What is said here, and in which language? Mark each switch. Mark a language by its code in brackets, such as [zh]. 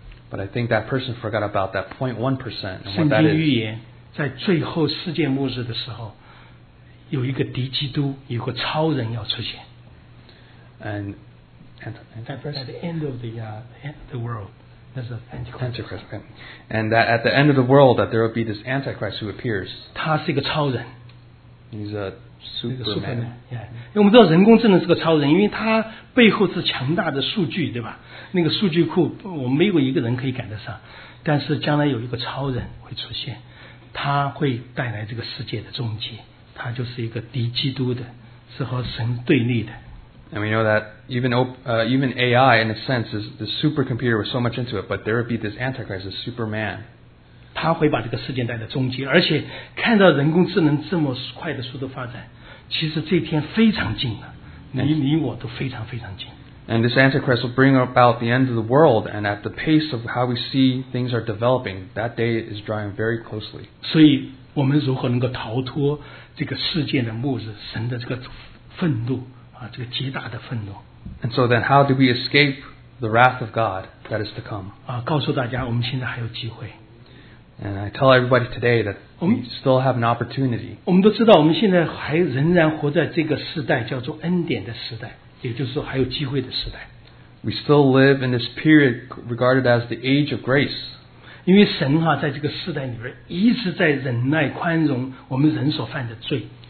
[en] But I think that person forgot about that 0.1% and what that is. [zh] 圣经预言在最后世界末日的时候, 有一个敌基督, 有个超人要出现。 [en] And at the end of the world, there's an Antichrist. And that at the end of the world, that there will be this Antichrist who appears. [zh] 他是一个超人。 [en] He's a Superman. [zh] 我们知道人工智能是个超人, 因为他背后是强大的数据, 对吧? 那个数据库, 我们没有一个人可以赶得上, 但是将来有一个超人会出现, 他会带来这个世界的终结, 他就是一个敌基督的, 是和神对立的。 [en] And we know that even AI, in a sense, is the supercomputer with so much into it, but there would be this Antichrist, this Superman. [zh] 他会把这个世界带来终结, 而且看到人工智能这么快的速度发展, 其实这天非常近了，你我都非常非常近。 [en] And this Antichrist will bring about the end of the world, and at the pace of how we see things are developing, that day is drawing very closely. [zh] 所以我们如何能够逃脱这个世界的末日，神的这个愤怒, 这个极大的愤怒。 [en] And so then, how do we escape the wrath of God that is to come? [zh] 告诉大家，我们现在还有机会。 [en] And I tell everybody today that we still have an opportunity. [zh] 我们都知道，我们现在还仍然活在这个时代，叫做恩典的时代，也就是说，还有机会的时代。 [en] We still live in this period regarded as the age of grace. [zh] 因为神哈，在这个时代里边一直在忍耐宽容我们人所犯的罪。